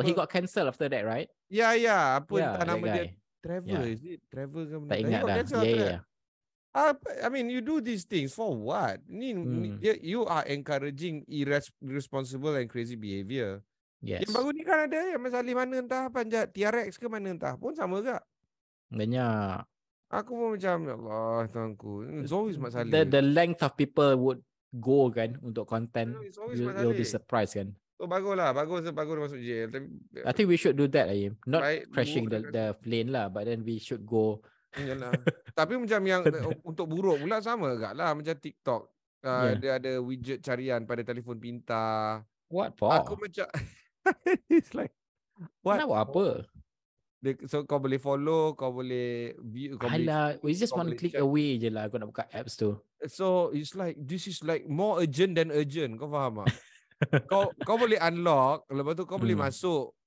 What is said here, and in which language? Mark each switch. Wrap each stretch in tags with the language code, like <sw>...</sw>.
<en>He got cancel after that, right?</en> <ms>Yeah, yeah. Apa entah nama dia?</ms> <en>Trevor, is it?</en> <ms>Trevor ke mana? Tak ingat dah. Yeah.</ms> <en>I mean, you do these things for what? You are encouraging irresponsible and crazy behavior. Yes.</en> <ms>Yang baru ni kan ada yang masalah mana entah, panjat TRX ke mana entah pun sama juga. Banyak. Aku pun macam, Allah, tuanku.</ms> <en>It's always</en> <ms>masalah.</ms> <en>The length of people would go</en> <ms>kan untuk</ms> <en>content. You'll be surprised kan.</en> <ms>So, bagus masuk jail.</ms> <en>I think we should do that, Ayim. Not crashing the plane lah, but then we should go.</en> <ms>Tapi macam yang untuk buruk pula sama agak lah. Macam TikTok dia ada widget carian pada telefon pintar.</ms> <en>What for?</en> <ms>Aku macam</ms> <en>it's like</en> <ms>kenapa apa? So kau boleh follow, kau boleh view, kau alah, boleh,</ms> <en>it's just one click check away</en> <ms>je lah. Aku nak buka apps tu.</ms> <en>So it's like, this is like more urgent than urgent.</en> <ms>Kau faham tak? kau boleh unlock, lepas tu kau boleh masuk.</ms>